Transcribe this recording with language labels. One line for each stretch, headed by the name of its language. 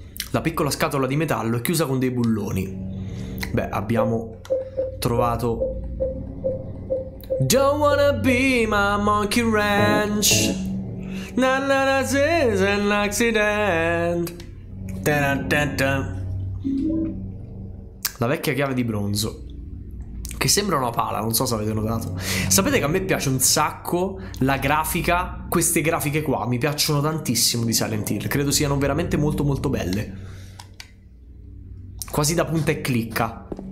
Italian: La piccola scatola di metallo è chiusa con dei bulloni. Beh, abbiamo trovato...
English: Don't wanna be my monkey wrench. Na na na, this is an accident. Ta-da-da-da.
Italian: La vecchia chiave di bronzo, che sembra una pala, non so se avete notato. Sapete che a me piace un sacco la grafica, queste grafiche qua mi piacciono tantissimo di Silent Hill. Credo siano veramente molto molto belle, quasi da punta e clicca.